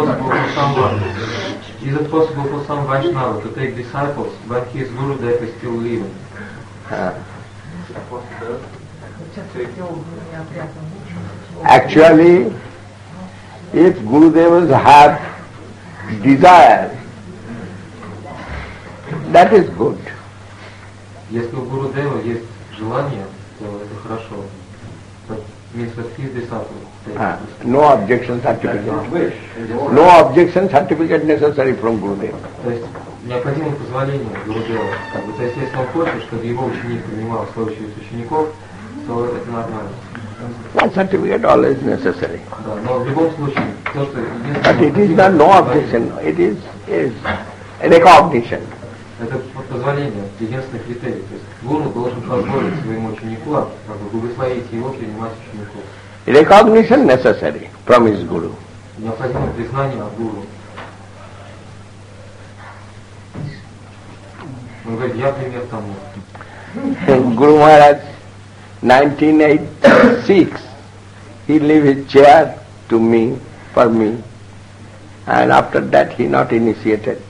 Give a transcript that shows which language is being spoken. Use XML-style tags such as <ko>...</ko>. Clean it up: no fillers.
<en>Is it possible for some Vaishnava to take disciples when his Guru Dev is still living? Actually, if Guru Devas have desire, that is good.</en> <ru>Если у Гуру Дева есть желание, то это хорошо. Вместо</ru> <en>his disciple. No objection certificate. No objection certificate necessary from Guru Deva.</en> <ru>То есть необходимо позволение Гуру Дева. Как бы, то есть если он хочет, чтобы его ученик принимал свою очередь учеников, то это нормально.</ru> <en>One certificate always necessary.</en> <ru>Да, но в любом случае, то, что</ru> <en>But it is not no objection, it is a recognition.</en> <ru>Это позволение, единственный критерий. То есть гуру должен позволить своему ученику, как бы благословить его принимать учеников.</ru> <en>Recognition necessary from his guru.</en> <ru>Необходимо признание от гуру. Он говорит, я пример тому. Гуру Махарадж,</ru> <en>1986, he leave his chair to me, for me, and after that he not initiated.</en>